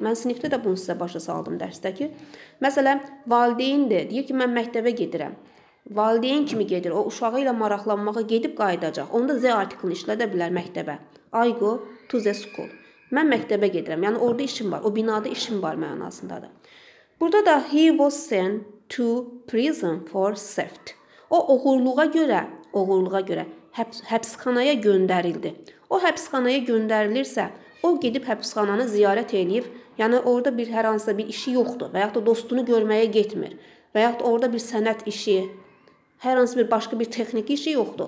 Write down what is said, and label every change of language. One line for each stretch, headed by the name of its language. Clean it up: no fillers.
Azerbaijani: Mən sinifdə də bunu sizə başa saldım dərsdə ki. Məsələn, valideyn deyir ki, mən məktəbə gedirəm. Valideyn kimi gedir, o uşağı ilə maraqlanmağa gedib qayıdacaq. Onda Z artiklini işlədə bilər məktəbə.
English: I go to the school.
Azerbaijani: Mən məktəbə gedirəm. Yəni orada işim var. O binada işim var mənasındadır. Burada da
English: he was sent to prison for theft.
Azerbaijani: O oğurluğa görə, həbsxanaya göndərildi. O həbsxanaya göndərilirsə, o gedib həbsxananı ziyarət edib, yəni orada bir hər hansısa bir işi yoxdur və yaxud da dostunu görməyə getmir. Və yaxud orada bir sənət işi, hər hansı bir başqa bir texniki işi yoxdur.